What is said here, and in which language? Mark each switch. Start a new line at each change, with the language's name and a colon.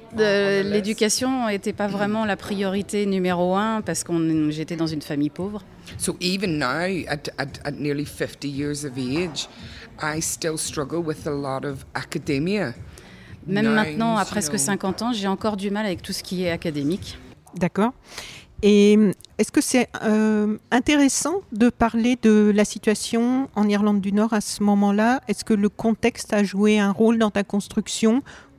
French: L'éducation n'était pas vraiment la priorité numéro un parce que j'étais dans une famille pauvre.
English: So even now, at nearly 50 years of age, I still struggle with a lot of academia.
French: Même now, maintenant, à presque 50 ans, j'ai encore du mal avec tout ce qui est académique. D'accord. Et est-ce que c'est intéressant de parler de la situation en Irlande du Nord à ce moment-là ? Est-ce que le contexte a joué un rôle dans ta construction ?